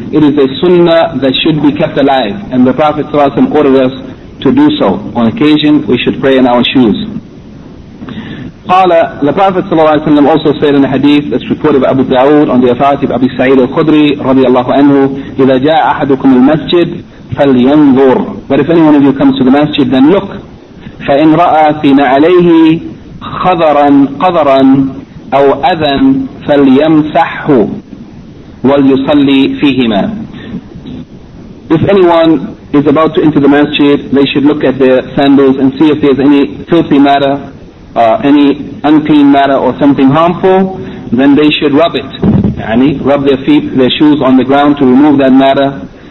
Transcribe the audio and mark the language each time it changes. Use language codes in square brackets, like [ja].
[en] It is a sunnah that should be kept alive. And the Prophet ﷺ ordered us to do so. On occasion, we should pray in our shoes. قال the Prophet صلى الله عليه وسلم also said in a hadith that's reported by Abu Dawood on the authority of Abi Sa'id al-Khudri رضي الله عنه [ar] إذا جاء أحدكم المسجد فلينظر. [en] But if anyone of you comes to the masjid, then look. [ar] فإن رأى فيما عليه خضرا قذرا أو أذى فليمسحه وليصلي فيهما. [en] If anyone is about to enter the masjid, they should look at their sandals and see if there's any filthy matter, any unclean matter or something harmful, then they should rub it. يعني rub their feet, their shoes on the ground to remove that matter.